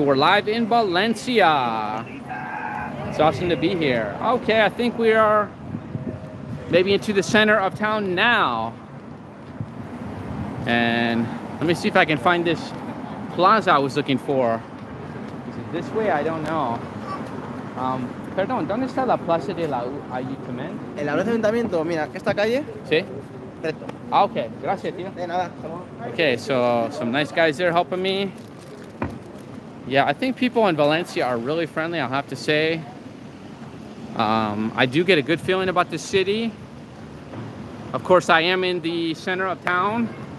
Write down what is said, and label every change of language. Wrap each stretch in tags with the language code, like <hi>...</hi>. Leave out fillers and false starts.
<en>We're live in Valencia. It's awesome to be here. Okay, I think we are maybe into the center of town now. And let me see if I can find this plaza I was looking for. Is it this way? I don't know.</en> <es>Perdón, ¿dónde está la Plaza de la U?</es> <en>Are you coming?</en> <es>En la Plaza del Ayuntamiento, mira, esta calle. Sí. Recto. Ah, okay. Gracias, tío. De nada.</es> <en>Okay, so some nice guys there helping me. Yeah, I think people in Valencia are really friendly, I'll have to say. I do get a good feeling about the city. Of course, I am in the center of town.</en>